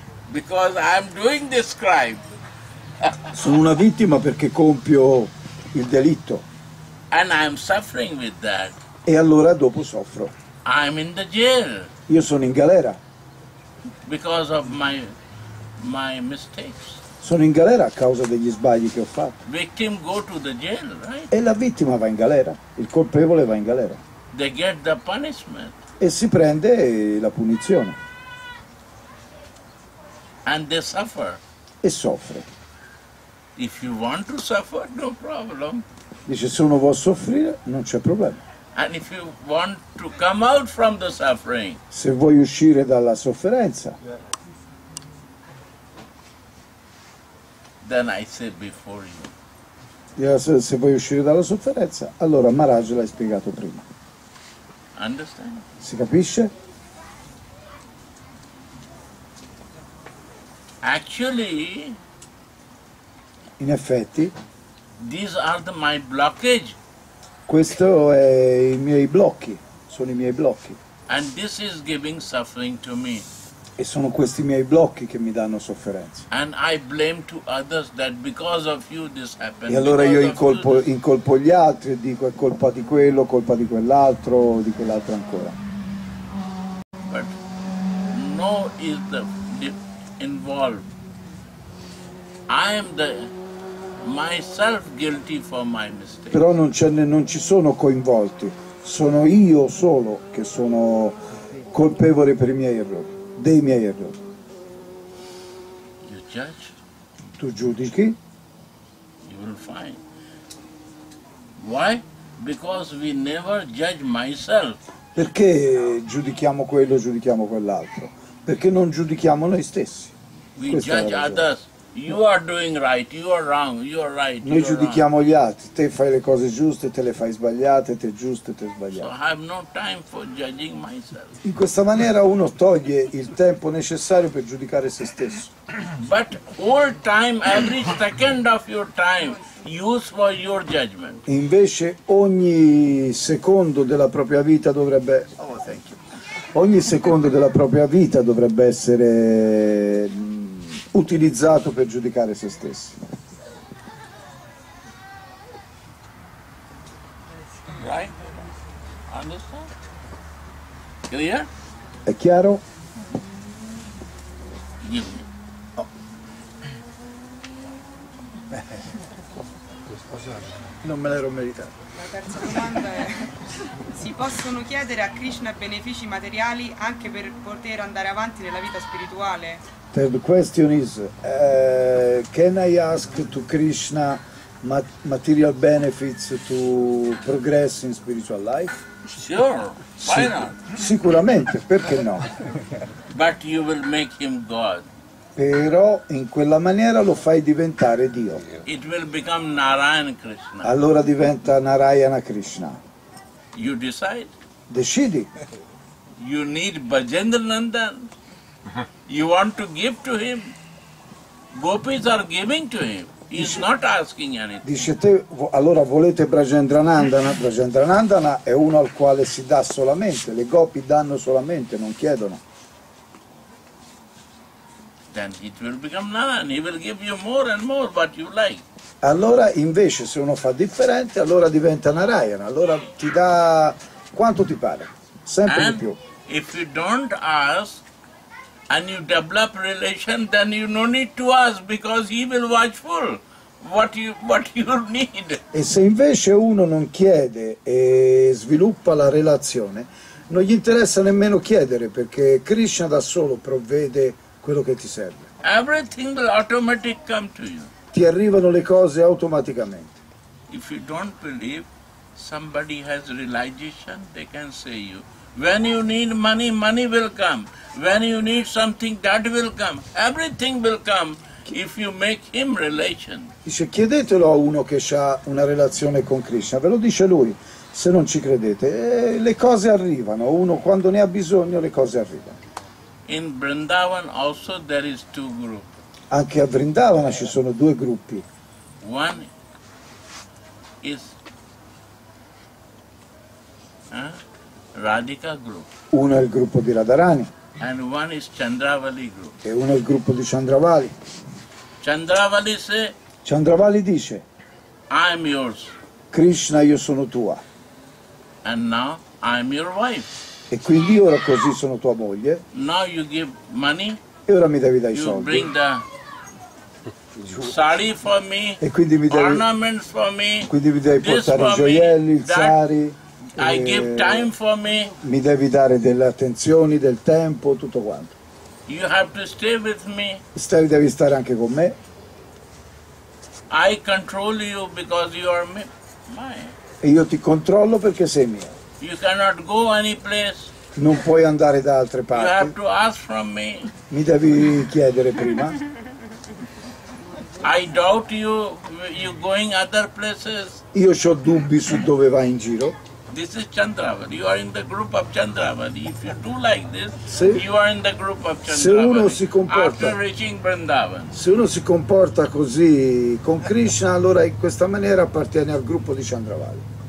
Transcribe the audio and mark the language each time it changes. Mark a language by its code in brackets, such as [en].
[en] Because I'm doing this crime. [it] Sono una vittima perché compio il delitto. [en] And I'm suffering with that. [it] E allora dopo soffro. [en] I'm in the jail. [it] Io sono in galera. [en] Because of my mistakes. [it] Sono in galera a causa degli sbagli che ho fatto. [en] Victim go to the jail, right? [it] E la vittima va in galera, il colpevole va in galera. [en] They get the punishment. [it] E si prende la punizione. [en] And they suffer. [it] E soffre. [en] If you want to suffer, no problem. [it] Dice, se uno vuole soffrire, non c'è problema. [en] And if you want to come out from the suffering. [it] Se vuoi uscire dalla sofferenza. [en] Then I said before you. [it] Yeah, se vuoi uscire dalla sofferenza, allora Maharaj l'hai spiegato prima. [en] Understand? [it] Si capisce? [en] Actually, [it] in effetti, [en] these are my blockage. [it] Questo è i miei blocchi, sono i miei blocchi. [en] And this is giving suffering to me. [it] E sono questi miei blocchi che mi danno sofferenza. [en] And I blame to others that because of you this happened. [it] E allora io incolpo gli altri e dico è colpa di quello, colpa di quell'altro, di quell'altro ancora. [en] But no is the involved. I am the myself guilty for my mistake. [it] Però non ci sono coinvolti. Sono io solo che sono colpevole per i miei errori. Dei miei errori. [en] You judge. [it] Tu giudichi. [en] You will find. Why? Because we never judge myself. [it] Perché giudichiamo quello, giudichiamo quell'altro? Perché non giudichiamo noi stessi. [en] We judge others. You are doing right, you are wrong, you are right. [it] Noi giudichiamo gli altri. Te fai le cose giuste, te le fai sbagliate, te giuste, te sbagliate. [en] So I have no time for judging myself. [it] In questa maniera uno toglie il tempo necessario per giudicare se stesso. [en] But all time, every second of your time, use for your judgment. [it] Invece ogni secondo della propria vita dovrebbe. Ogni secondo della propria vita dovrebbe essere utilizzato per giudicare se stessi. [en] Right? Understand? Clear? [it] È chiaro? [en] Give me. [it] scusate, non me l'ero meritato. La terza domanda è: si possono chiedere a Krishna benefici materiali anche per poter andare avanti nella vita spirituale? [en] Third question is, can I ask to Krishna material benefits to progress in spiritual life? Sure, why not? [it] Sicuramente, perché no? [en] But you will make him God. [it] Però in quella maniera lo fai diventare Dio. [en] It will become Narayan Krishna. [it] Allora diventa Narayana Krishna. [en] You decide. [it] Decidi. [en] You need Bhajendra Nandan. You want to give to him. Gopis are giving to him. He's not asking anything. [it] Dice te, allora volete Brajendranandana? Brajendranandana è uno al quale si dà solamente, le gopi danno solamente, non chiedono. [en] Then it will become Narayan, he will give you more and more what you like. [it] Allora invece se uno fa differente, allora diventa Narayana, allora ti dà quanto ti pare, sempre [en] and [it] di più. [en] If you don't ask and you develop relation, then you no need to ask because he will watchful what you need. [it] E se invece uno non chiede e sviluppa la relazione, non gli interessa nemmeno chiedere perché Krishna da solo provvede quello che ti serve. [en] Everything will automatic come to you. [it] Ti arrivano le cose automaticamente. [en] If you don't believe somebody has realization, they can say you. When you need money, money will come. When you need something, that will come. Everything will come if you make him relation. [it] Dice, chiedetelo a uno che ha una relazione con Krishna, ve lo dice lui, se non ci credete. Le cose arrivano, uno quando ne ha bisogno, le cose arrivano. [en] In Vrindavan also there is two groups. [it] Anche a Vrindavana ci sono due gruppi. [en] One is Radhika group. [it] Uno è il gruppo di Radharani. [en] And one is Chandravali group. [it] E uno è il gruppo di Chandravali. Chandravali se Chandravali dice [en] I am yours. [it] Krishna, io sono tua. [en] And now I am your wife. [it] E quindi ora così sono tua moglie. [en] Now you give money. [it] E ora mi devi dare i soldi. [en] You bring the sari for me. [it] E quindi mi devi [en] ornaments for me. [it] Quindi mi devi portare i gioielli, il sari. [en] I give time for me. [it] Mi devi dare delle attenzioni, del tempo, tutto quanto. [en] You have to stay with me. [it] Stai, devi stare anche con me. [en] I control you because you are mine. [it] E io ti controllo perché sei mio. [en] You cannot go any place. [it] Non puoi andare da altre parti. [en] You have to ask from me. [it] Mi devi chiedere prima. [en] I doubt you going other places. [it] Io ho dubbi su dove vai in giro. [en] This is Chandravali. You are in the group of Chandravali. If you do like this, you are in the group of Chandravali. [it] Se uno si comporta, [en] after reaching Vrindavan. [it] Se uno si comporta così con Krishna, allora in questa maniera appartiene al gruppo di Chandravali.